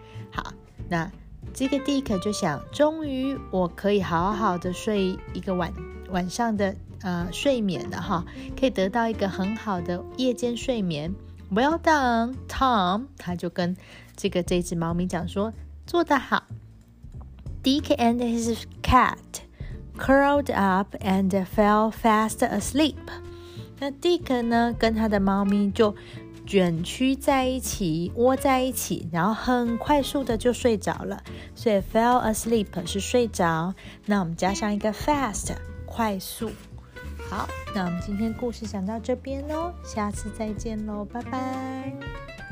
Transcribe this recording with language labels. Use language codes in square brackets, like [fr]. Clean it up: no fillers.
[zh] 好，那这个 Dick 就想，终于我可以好好的睡一个晚上的睡眠了哈，可以得到一个很好的夜间睡眠。 [en] Well done, Tom. [zh] 他就跟这只猫咪讲说，做得好。 [en] Dick and his cat curled up and fell fast asleep. [zh] 那 Dick 呢，跟他的猫咪就卷曲在一起，窝在一起，然后很快速的就睡着了。所以 [en] fell asleep [zh] 是睡着。那我们加上一个 fast， 快速。好，那我们今天故事讲到这边咯，下次再见咯，拜拜。